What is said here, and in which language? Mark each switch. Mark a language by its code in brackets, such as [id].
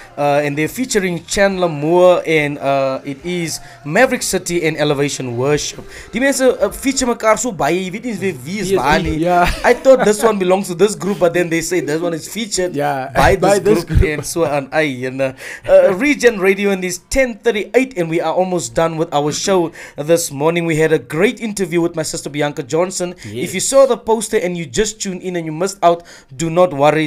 [en] And they're featuring Chandler Moore, and it is Maverick City and Elevation Worship. [af] Die mense feature mekaar so baie, jy weet nie wie is baie. [en] I thought this one belongs to this group, but then they say this one is featured by this group and so on. Regen Radio, and it's 10:38 and we are almost done with our show this morning. We had a great interview with my sister Bianca Johnson. Yes. If you saw the poster and you just tuned in and you missed out, do not worry.